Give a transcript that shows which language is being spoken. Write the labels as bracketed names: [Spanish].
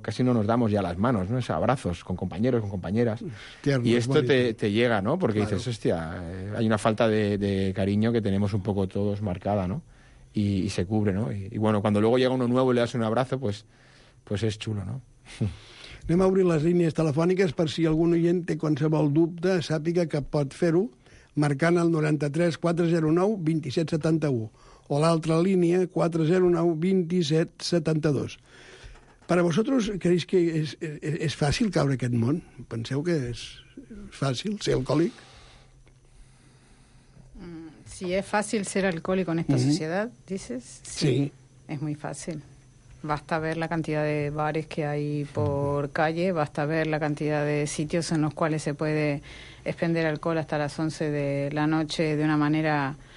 [Spanish] Casi no nos damos ya las manos, ¿no? Es abrazos con compañeros, con compañeras. Tierno, y esto te llega, ¿no? Porque claro. Dices, hostia, hay una falta de cariño que tenemos un poco todos marcada, ¿no? Y se cubre, ¿no? Y bueno, cuando luego llega uno nuevo y le das un abrazo, pues es chulo, ¿no? [Catalan] Anem a obrir les línies telefòniques per si algun oient té qualsevol dubte, sàpiga que pot fer-ho marcant el 93-409-2771. O l'altra línia, 409-2772. Per a vosaltres, creus que és fàcil caure aquest món? Penseu que és fàcil ser alcohòlic? Si és fàcil ser alcohòlic en esta societat, [Spanish] dices? [Catalan] Sí. És molt fàcil. [Spanish] Basta ver la cantidad de bares que hay por calle, basta ver la cantidad de sitios en los cuales se puede expender alcohol hasta las 11 de la noche de una manera...